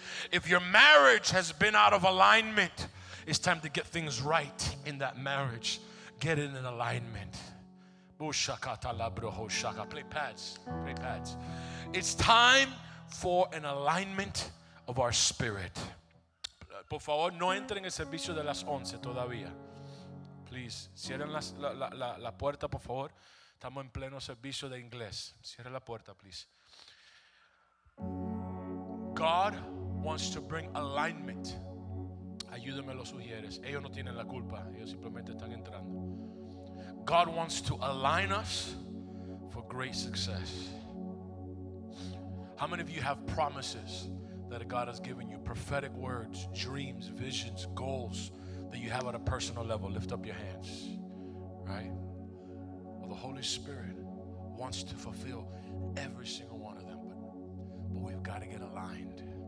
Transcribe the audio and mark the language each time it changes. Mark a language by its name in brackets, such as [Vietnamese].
[English] If your marriage has been out of alignment, it's time to get things right in that marriage. Get in alignment. Play pads. It's time for an alignment of our spirit. [Spanish] Por favor, no entren el servicio de las 11 todavía. Please, cierren la puerta, por favor. Estamos en pleno servicio de inglés. Cierren la puerta, please. [English] God wants to bring alignment. [Spanish] Ayúdenme, lo sugieres. Ellos no tienen la culpa. Ellos simplemente están entrando. [English] God wants to align us for great success. How many of you have promises that God has given you? Prophetic words, dreams, visions, goals that you have at a personal level. Lift up your hands, right? Well, the Holy Spirit wants to fulfill every single one of them, but we've got to get aligned.